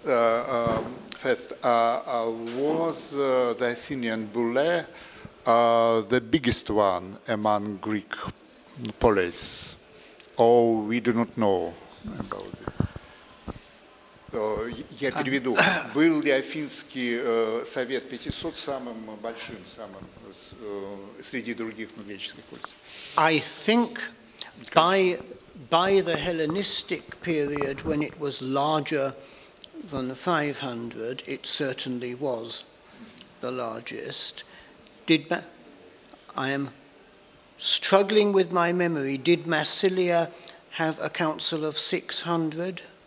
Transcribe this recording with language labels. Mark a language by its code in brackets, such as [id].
[en] First, was the Athenian boule the biggest one among Greek polis, or we do not know about it? [ru] So, я переведу. Был ли афинский совет 500 самым большим, самым среди других греческих полис? [en] I think by the Hellenistic period, when it was larger than 500, it certainly was the largest. I am struggling with my memory. Did Massilia have a council of 600?